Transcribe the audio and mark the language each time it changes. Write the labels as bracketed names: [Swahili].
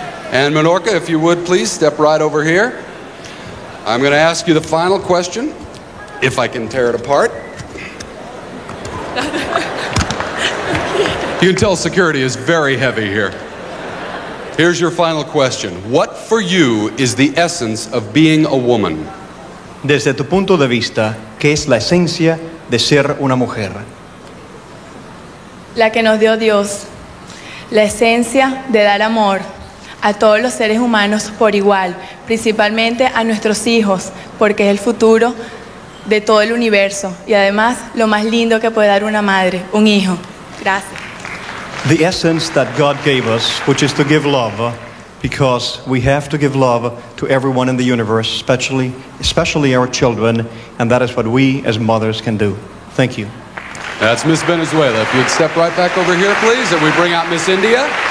[English] And Menorca, if you would, please step right over here. I'm going to ask you the final question, if I can tear it apart. You can tell security is very heavy here. Here's your final question. What for you is the essence of being a woman? [Spanish] Desde tu punto de vista, ¿qué es la esencia de ser una mujer? La que nos dio Dios, la esencia de dar amor a todos los seres humanos por igual, principalmente a nuestros hijos, porque es el futuro de todo el universo y además lo más lindo que puede dar una madre, un hijo. Gracias. [English] The essence that God gave us, which is to give love, because we have to give love to everyone in the universe, especially our children, and that is what we as mothers can do. Thank you. That's Miss Venezuela. If you'd step right back over here, please, and we bring out Miss India.